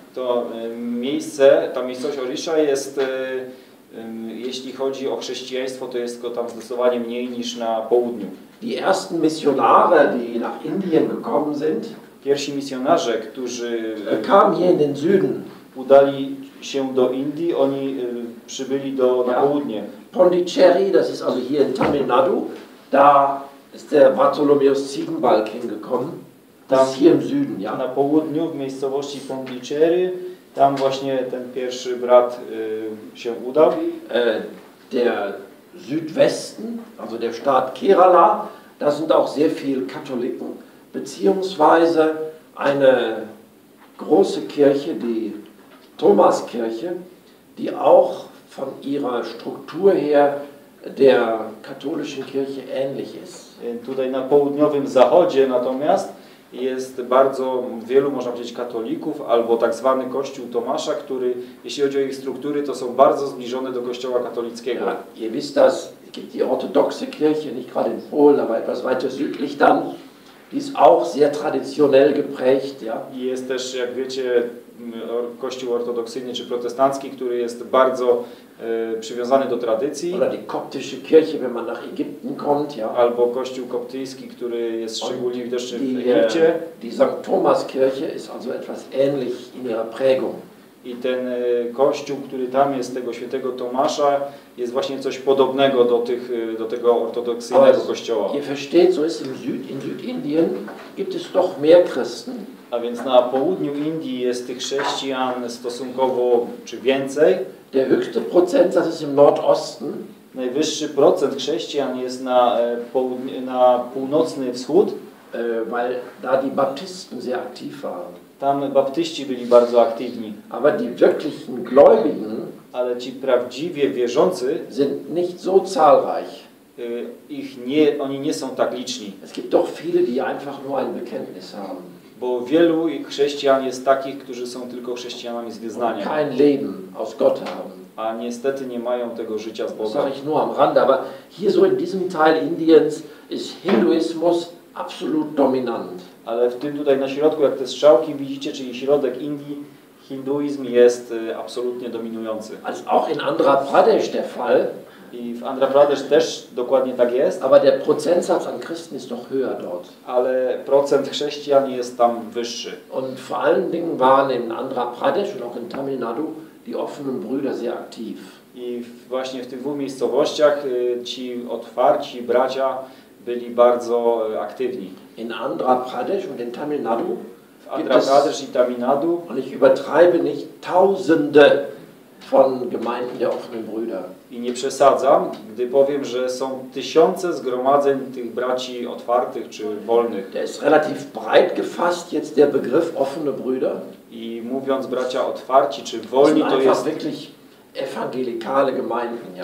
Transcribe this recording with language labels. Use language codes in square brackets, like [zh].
[pl] To miejsce, ta miejscowość Odisha jest, jeśli chodzi o chrześcijaństwo, to jest go tam zdecydowanie mniej niż na południu. [de] Die ersten Missionare, die nach Indien gekommen sind, [pl] pierwsi misjonarze, którzy [de] kamen hier in den Süden, [pl] udali się do Indii, oni przybyli do na południe. [de] Pondicherry, das ist also hier in Tamil Nadu, da ist der Bartholomäus Ziegenbalg hingekommen. Das ist hier im Süden, ja. [pl] Na południu, w miejscowości Pondicherry, tam właśnie ten pierwszy brat się udał. [de] Der Südwesten, also der Staat Kerala, da sind auch sehr viele Katholiken, beziehungsweise eine große Kirche, die Thomaskirche, die auch von ihrer Struktur her der katholischen Kirche ähnlich ist. [pl] Tutaj na południowym zachodzie natomiast jest bardzo wielu, można powiedzieć, katolików albo tak zwany Kościół Tomasza, który, jeśli chodzi o ich struktury, to są bardzo zbliżone do Kościoła katolickiego. [de] Ja, ihr wisst das, gibt die orthodoxe Kirche, nicht gerade in Polen, aber etwas weiter südlich dann, die ist auch sehr traditionell geprägt, ja. [pl] I jest też, jak wiecie, Kościół ortodoksyjny czy protestancki, który jest bardzo przywiązany do tradycji. [de] Oder die koptische Kirche, wenn man nach Ägypten kommt, ja. [pl] Albo kościół koptyjski, który jest szczególnie widoczny w Egipcie. [de] Die St. Thomas Kirche ist also etwas ähnlich in ihrer Prägung. [pl] I ten kościół, który tam jest, tego świętego Tomasza, jest właśnie coś podobnego do tych, do tego ortodoksyjnego kościoła. [de] Ihr versteht, so ist im Südindien gibt es doch mehr Christen. [pl] A więc na południu Indii jest tych chrześcijan stosunkowo czy więcej. [de] Der höchste Prozentsatz ist im Nordosten. [pl] Najwyższy procent chrześcijan jest na północny wschód, [de] weil da die Baptisten sehr aktiv waren. [pl] Tam baptyści byli bardzo aktywni. [de] Aber die wirklichen Gläubigen, [pl] ale ci prawdziwie wierzący, [de] sind nicht so zahlreich. [pl] Ich nie, oni nie są tak liczni. [de] Es gibt doch viele, die einfach nur ein Bekenntnis haben. [pl] Bo wielu chrześcijan jest takich, którzy są tylko chrześcijanami z wyznania. [de] Kein Leben aus Gott haben. [pl] A niestety nie mają tego życia z Bogiem. [de] Das sage ich nur am Rande, aber hier so in diesem Teil Indiens ist Hinduismus absolut dominant. [pl] Ale w tym tutaj na środku, jak te strzałki widzicie, czyli środek Indii, hinduizm jest absolutnie dominujący. [de] Als auch in Andhra Pradesh der Fall. [pl] I w Andhra Pradesh też dokładnie tak jest. [de] Aber der Prozentsatz an Christen ist doch höher dort. [pl] Ale procent chrześcijan jest tam wyższy. [de] Und vor allen Dingen waren in Andhra Pradesh und auch in Tamil Nadu die offenen Brüder sehr aktiv. [pl] I właśnie w tych dwóch miejscowościach ci otwarci bracia byli bardzo aktywni. [de] In Andhra Pradesh und in Tamil Nadu. [pl] W Andhra Pradesh i Tamil Nadu. [de] Und ich übertreibe nicht, tausende von Gemeinden der offenen Brüder. [pl] I nie przesadzam, gdy powiem, że są tysiące zgromadzeń tych braci otwartych czy wolnych. [de] Der ist relativ breit gefasst jetzt der Begriff offene Brüder. [pl] I mówiąc bracia otwarci czy wolni, to jest [de] wirklich ewangelikale Gemeinden, ja.